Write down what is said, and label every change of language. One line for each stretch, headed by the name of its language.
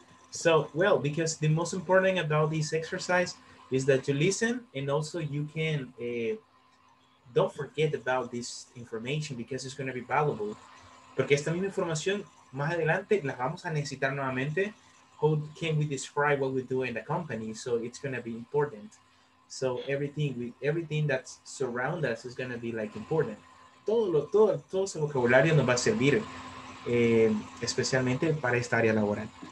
English: So, because the most important thing about this exercise is that you listen, and also you can don't forget about this information because it's going to be valuable.
Spanish: Porque esta misma información más adelante la vamos a necesitar nuevamente.
English: How can we describe what we do in the company? So it's going to be important. So everything that surrounds us is going to be like important.
Spanish: Todo ese vocabulario nos va a servir, especialmente para esta área laboral.